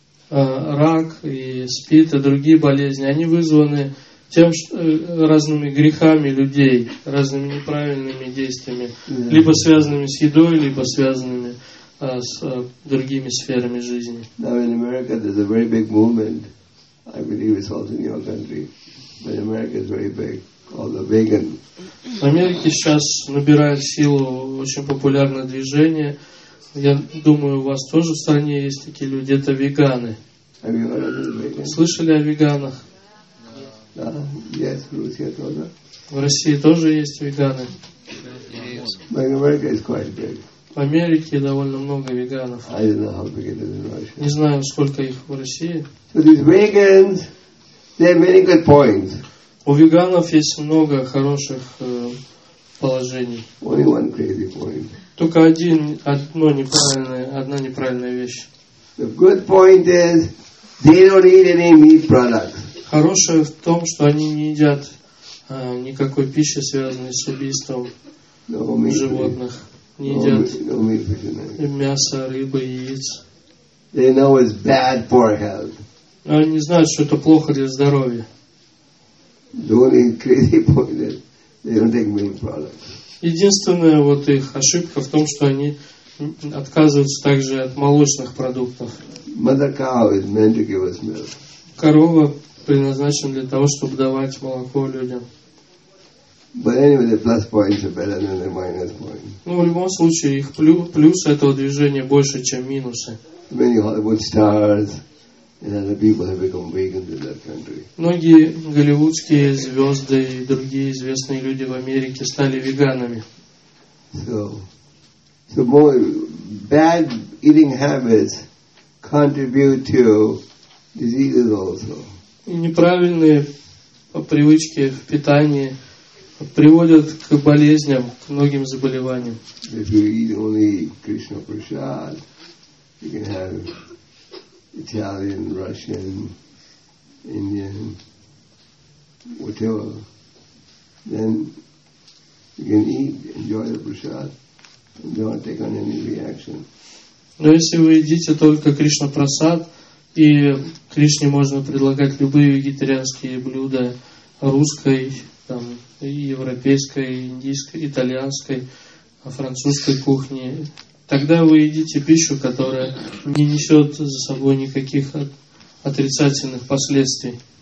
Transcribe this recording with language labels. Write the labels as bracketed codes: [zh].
[ru] Рак и СПИД и другие болезни, они вызваны тем, разными грехами людей, разными неправильными действиями, либо связанными с едой, либо связанными с другими сферами жизни. [en] Now in America there's a very big movement. I believe it's also in your country. But America is very big, called the vegan. [ru] В Америке сейчас набирает силу очень популярное движение. Я думаю, у вас тоже в стране есть такие люди. Это веганы. [en] Have you heard of the vegan? [ru] Слышали о веганах? Да. [en] Yes, [ru] в России тоже. В России тоже есть веганы. [en] But in America it's quite big. [ru] В Америке довольно много веганов. [en] I don't know how big it is in Russia. [ru] Не знаю, сколько их в России. [en] So these vegans, they have many good points. [ru] У веганов есть много хороших положений. [en] Only one crazy point. [ru] Только одна неправильная вещь. [en] The good point is they don't eat any meat products. [ru] Хорошее в том, что они не едят никакой пищи, связанной с убийством животных. Не едят мясо, рыбы, яиц. [en] They know it's bad for health. [ru] Но они знают, что это плохо для здоровья. [en] The only crazy point is they don't take meat products. [ru] Единственная вот их ошибка в том, что они отказываются также от молочных продуктов. [en] Mother cow is meant to give us milk. [ru] Корова предназначена для того, чтобы давать молоко людям. [en] But anyway, the plus points are better than the minus points. [ru] Ну, в любом случае, их плюсы этого движения больше, чем минусы. [en] Many Hollywood stars and other people have become vegans in that country. [ru] Многие голливудские звезды и другие известные люди в Америке стали веганами. [en] So more bad eating habits contribute to diseases also. [ru] И неправильные привычки в питании приводят к болезням, к многим заболеваниям. [en] If you eat only Krishna prasad, you can have Italian, Russian, Indian, whatever. Then you can eat, enjoy the prasad, and don't take on any reaction. [ru] Но если вы едите только Кришна прасад, и Кришне можно предлагать любые вегетарианские блюда, русской, там, и европейской, и индийской, итальянской, французской кухни, тогда вы едите пищу, которая не несет за собой никаких отрицательных последствий.